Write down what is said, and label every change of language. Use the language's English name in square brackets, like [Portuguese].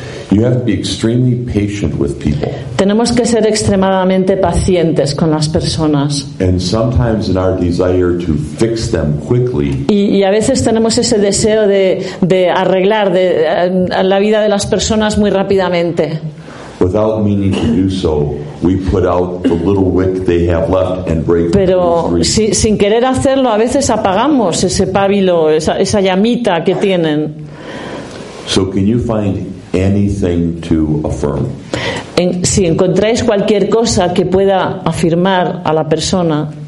[English] You have to be extremely patient with people. [Spanish] Tenemos que ser extremadamente pacientes con las personas. [English] And sometimes in our desire to fix them quickly. [Spanish] Y a veces tenemos ese deseo de arreglar la vida de las personas muy rápidamente. [English] Without meaning to do so, we put out the little wick they have left and break. [Spanish] Pero sin querer hacerlo, a veces apagamos ese pábilo, esa llamita que tienen. [English] So can you find anything to affirm? [Spanish] Si encontráis cualquier cosa que pueda afirmar a la persona,